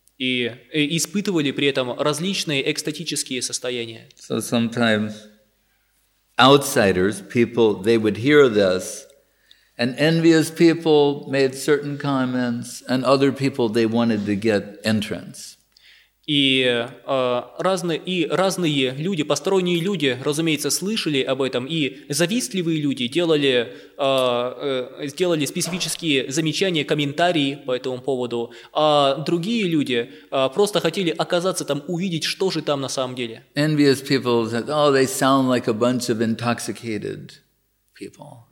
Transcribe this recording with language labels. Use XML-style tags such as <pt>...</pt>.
<ru>И испытывали при этом различные экстатические состояния.</ru> <en>So sometimes outsiders, people, they would hear this, and envious people made certain comments, and other people, they wanted to get entrance.</en> <ru>И разные люди, посторонние люди, разумеется, слышали об этом, и завистливые люди сделали специфические замечания, комментарии по этому поводу, а другие люди просто хотели оказаться там, увидеть, что же там на самом деле.</ru> <en>Envious people said, oh, they sound like a bunch of intoxicated people.</en>